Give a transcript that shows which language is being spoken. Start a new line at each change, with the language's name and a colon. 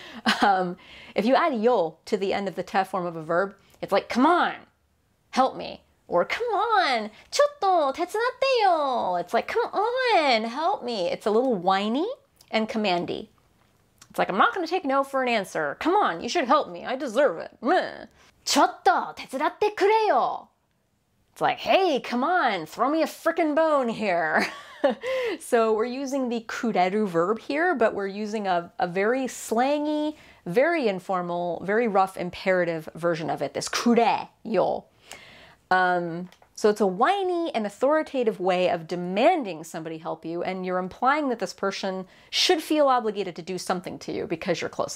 English: If you add yo to the end of the te form of a verb, it's like, come on, help me. Or come on,
Japanese: ちょっと手伝ってよ.
English: It's like, come on, help me. It's a little whiny and commandy. It's like, I'm not going to take no for an answer. Come on, you should help me. I deserve it.
Japanese: ちょっと手伝ってくれよ.
English: It's like, hey, come on, throw me a frickin' bone here. So we're using the kureru verb here, but we're using a very slangy, very informal, very rough imperative version of it, this kure yo. So it's a whiny and authoritative way of demanding somebody help you, and you're implying that this person should feel obligated to do something to you because you're close.